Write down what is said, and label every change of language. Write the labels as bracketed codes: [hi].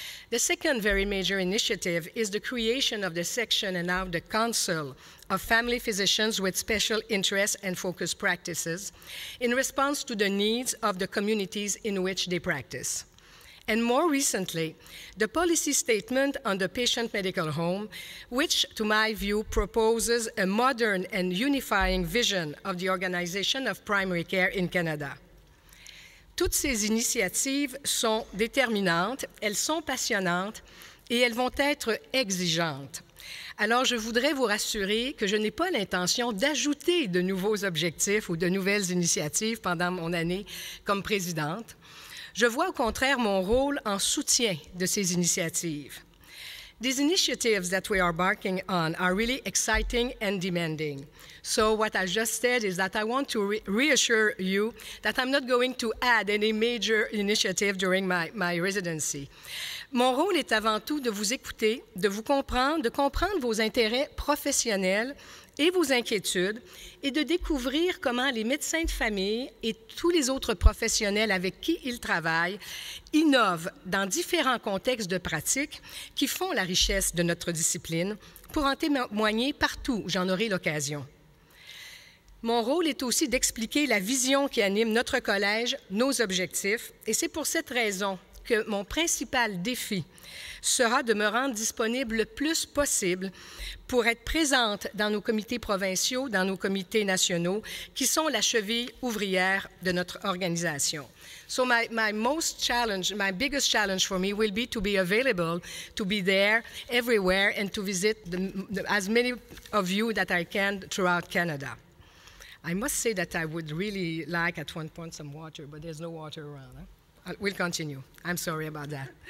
[en] The second very major initiative is the creation of the section and now the council of family physicians with special interests and focused practices in response to the needs of the communities in which they practice. And more recently, the policy statement on the patient medical home, which to my view proposes a modern and unifying vision of the organization of primary care in Canada. [fr] Toutes ces initiatives sont déterminantes, elles sont passionnantes et elles vont être exigeantes. Alors, je voudrais vous rassurer que je n'ai pas l'intention d'ajouter de nouveaux objectifs ou de nouvelles initiatives pendant mon année comme présidente. Je vois au contraire mon rôle en soutien de ces initiatives. [en] These initiatives that we are embarking on are really exciting and demanding. So what I just said is that I want to reassure you that I'm not going to add any major initiative during my residency. [fr] Mon rôle est avant tout de vous écouter, de vous comprendre, de comprendre vos intérêts professionnels et vos inquiétudes, et de découvrir comment les médecins de famille et tous les autres professionnels avec qui ils travaillent innovent dans différents contextes de pratique qui font la richesse de notre discipline, pour en témoigner partout où j'en aurai l'occasion. Mon rôle est aussi d'expliquer la vision qui anime notre collège, nos objectifs, et c'est pour cette raison que mon principal défi sera de me rendre disponible le plus possible pour être présente dans nos comités provinciaux, dans nos comités nationaux, qui sont la cheville ouvrière de notre organisation. [en] So my biggest challenge for me will be to be available, to be there everywhere, and to visit as many of you that I can throughout Canada. I must say that I would really like at one point some water, but there's no water around. We'll continue. I'm sorry about that.